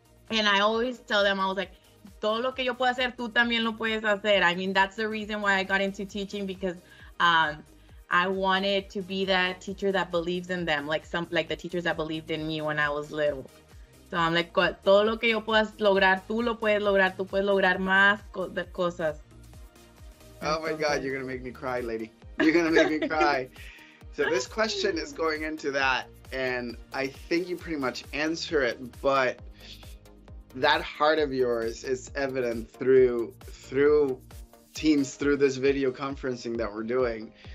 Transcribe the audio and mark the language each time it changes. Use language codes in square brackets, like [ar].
[en] And I always tell them, I was like, [es] todo lo que yo puedo hacer, tú también lo puedes hacer. [en] I mean, that's the reason why I got into teaching, because I wanted to be that teacher that believes in them, like the teachers that believed in me when I was little. So I'm like, [es] todo lo que yo puedo lograr, tú lo puedes lograr. Tú puedes lograr más cosas. [en] Oh my God, you're going to make me cry, lady. You're going to make me cry. So this question is going into that, and I think you pretty much answer it, but that heart of yours is evident through Teams, through this video conferencing that we're doing.